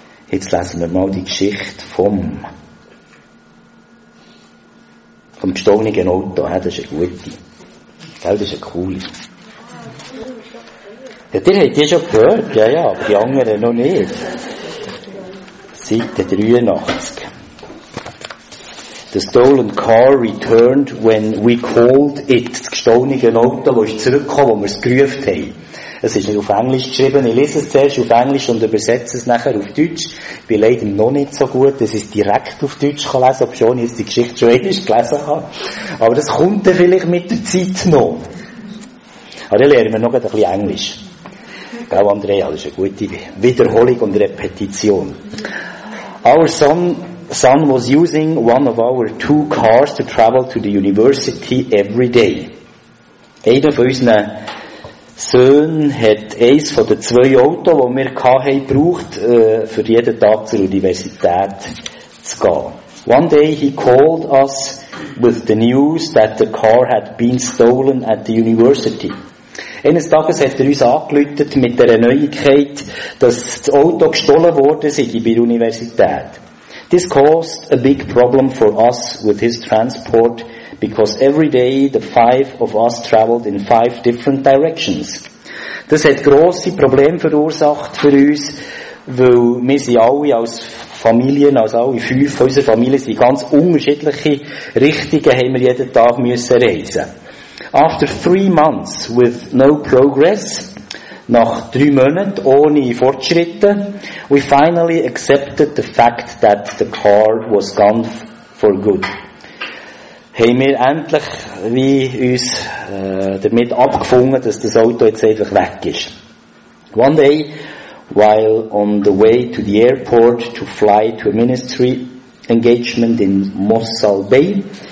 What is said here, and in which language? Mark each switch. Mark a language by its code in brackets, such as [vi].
[de] Jetzt lesen wir mal die Geschichte vom gestohlenen Auto. Das ist eine gute. Gell, das ist eine coole. Ja, ihr habt die schon gehört, ja, aber die anderen noch nicht. Seite 83. [en] The stolen car returned when we called it. [de] Das gestohlene Auto, das ist zurückgekommen, wo wir es gerufen haben. Es ist nicht auf Englisch geschrieben, ich lese es zuerst auf Englisch und übersetze es nachher auf Deutsch. Ich bin leider noch nicht so gut, dass ich es direkt auf Deutsch kann lesen, ob schon ich jetzt die Geschichte schon englisch gelesen habe. Aber das kommt dann vielleicht mit der Zeit noch. Aber dann lernen wir noch ein bisschen Englisch. Gell, Andrea, das ist eine gute Wiederholung und Repetition. [en] Our son was using one of our two cars to travel to the university every day. [de] Einer von unseren Sohn hat eins von den zwei Autos, die wir hatten, gebraucht, für jeden Tag zur Universität zu gehen. [en] One day he called us with the news that the car had been stolen at the university. [de] Eines Tages hat er uns angerufen mit der Neuigkeit, dass das Auto gestohlen wurde bei der Universität. [en] This caused a big problem for us with his transport, because every day the five of us traveled in five different directions. [de] Das hat grosse Probleme verursacht für uns, weil wir sind alle als Familien, also alle fünf von unserer Familie sind ganz unterschiedliche Richtungen, haben wir jeden Tag müssen reisen. [en] After 3 months with no progress, [de] nach 3 Monaten ohne Fortschritte, [en] we finally accepted the fact that the car was gone for good. [de] Haben wir endlich wie uns damit abgefunden, dass das Auto jetzt einfach weg ist. [en] One day, while on the way to the airport to fly to a ministry engagement in Mossul Bay,